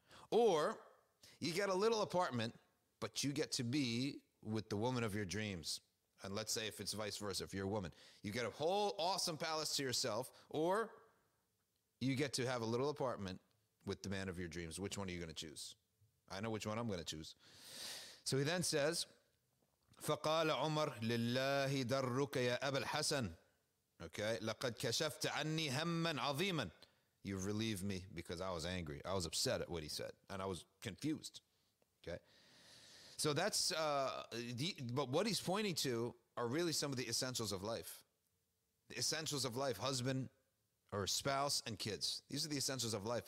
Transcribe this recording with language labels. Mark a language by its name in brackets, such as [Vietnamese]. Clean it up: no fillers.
[English] Or you get a little apartment, but you get to be with the woman of your dreams. And let's say if it's vice versa, if you're a woman, you get a whole awesome palace to yourself, or you get to have a little apartment with the man of your dreams. Which one are you going to choose? I know which one I'm going to choose. So he then says, [Arabic] فَقَالَ عُمَرْ لِلَّهِ دَرُّكَ يَا أَبَا الْحَسَنِ. Okay, لَقَدْ كَشَفْتَ عَنِّي هَمَّنْ عَظِيمًا. [English] You've relieved me because I was angry. I was upset at what he said, and I was confused. Okay, so that's, but what he's pointing to are really some of the essentials of life. The essentials of life, husband or spouse and kids. These are the essentials of life.